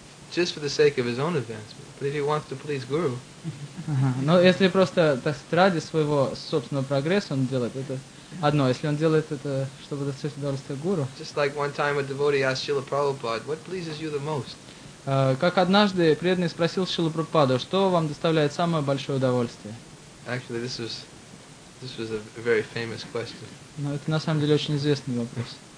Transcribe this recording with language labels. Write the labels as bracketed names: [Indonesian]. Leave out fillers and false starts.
[English] Just for the sake of his own advancement, but if he wants to please guru. [Russian] Но если просто так ради своего собственного прогресса он делает это. Одно, если он делает это, чтобы достичь удовольствия гуру. [English] Just like one time a devotee asked Srila Prabhupada, what pleases you the most? [Russian] Как однажды преданный спросил Шрилу Прабхупаду, что вам доставляет самое большое удовольствие? [English] Actually, this was a very famous question. [Russian] Но это на самом деле очень известный вопрос.